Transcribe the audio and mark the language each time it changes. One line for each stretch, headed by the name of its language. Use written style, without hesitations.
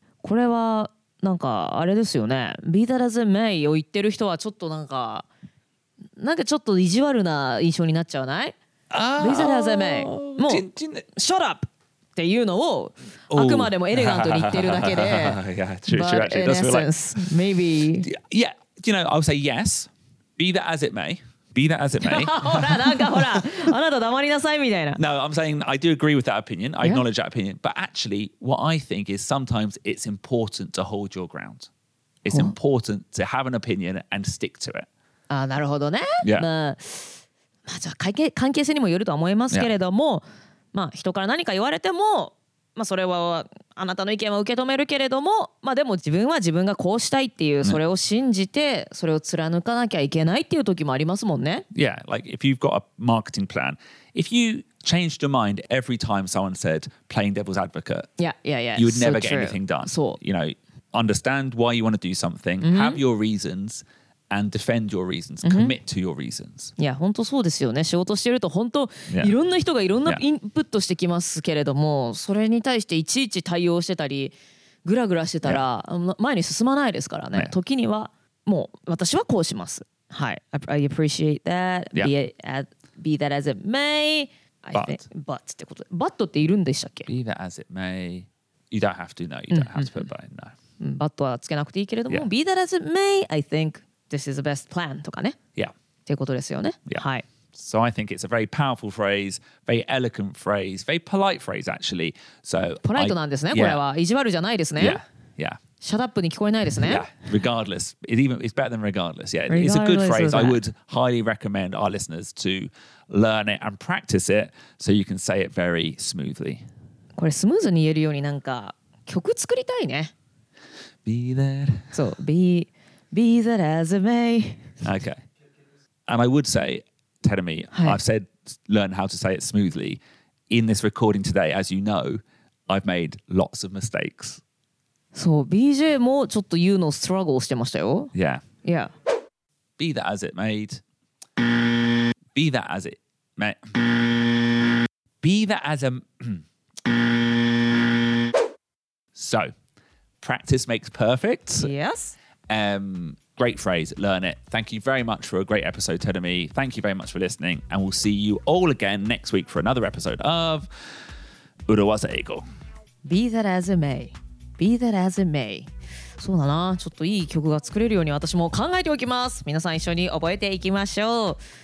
Japanese: これはなんかあれですよね。
English: Be that as it may
Japanese: を言ってる人はちょっとなんかちょっと意地悪な印象になっちゃわない?
English: Be that as it may.
Japanese: もう、
English: shut up!
Japanese: っていうのをあくまでもエレガントに言ってるだけで
English: yeah, true, true, but in essence, like, maybe yeah, you know, I'll say yes be that as it may be that as it may
Japanese: ほらなんかほらあなた黙りなさいみたいな
English: No, I'm saying I do agree with that opinion I acknowledge that opinion but actually what I think is sometimes it's important to hold your ground it's important to have an opinion and stick to it
Japanese: あなるほどね、
English: yeah.
Japanese: まあじゃあ関係性にもよるとは思いますけれども、
English: yeah.
Japanese: まあ、人から何か言われても、まあ、それはあなたの意見は受け止めるけれども、まあ、でも自分は自分がこうしたいっていうそれを信じてそれを貫かなきゃいけないっていう時もありますもんね。
English: Yeah, like if you've got a marketing plan, if you changed your mind every time someone said playing devil's advocate, yeah, yeah, yeah, you would never get anything done. So, you know, understand why you want to do something, have your reasons. And defend your reasons. Commit to your reasons. Yeah,
Japanese: 本当そうですよね。仕事してると本当、
English: yeah.
Japanese: いろんな人がいろんなインプットしてきますけれども、yeah. それに対していちいち対応してたり、グラグラしてたら、
English: yeah.
Japanese: 前に進まないですからね。
English: Yeah.
Japanese: 時にはもう私はこうします。はい。
English: I appreciate that.、 Yeah. Be that as it may. But
Japanese: ってことで。But っているんでしたっけ
English: ？Be that as it may. You don't have to know. You don't have to put but in there. But
Japanese: はつけなくていいけれども、
English: yeah. Be that as it may. I think. This is the best plan,
Japanese: とかね。
English: Yeah.
Japanese: っていうことですよね。
English: Yeah.
Japanese: はい。
English: So I think it's a very powerful phrase, very eloquent phrase, very polite phrase, actually. So,
Japanese: polite なんですね、これは。意地悪じゃないですね。
English: Yeah. Yeah.
Japanese: Shut up に聞こえないですね。
English: Yeah. Regardless. It's better than regardless. Yeah. It's a good phrase. I would highly recommend our listeners to learn it and practice it so you can say it very smoothly.
Japanese: これスムーズに言えるようになんか曲作りたいね。
English: Be there. So, be... Be that as it may. Okay. And I would say, Terumi, I've said learn how to say it smoothly. In this recording today, as you know, I've made lots of mistakes.
Japanese: So, BJ もちょっと言うのを struggle してましたよ。
English: Yeah. Yeah. Be that as it may. Be that as it may. Be that as a... so, practice makes perfect. Yes. Great phrase, learn it. Thank you very much for a great episode, Terumi. Thank you very much for listening. And we'll see you all again next week for another episode of Urawaza Eigo. Be that as it may. Be that as it may.
Japanese: そうだな。ちょっといい曲が作れるように私も考えておきます。皆さん一緒に覚えていきましょう。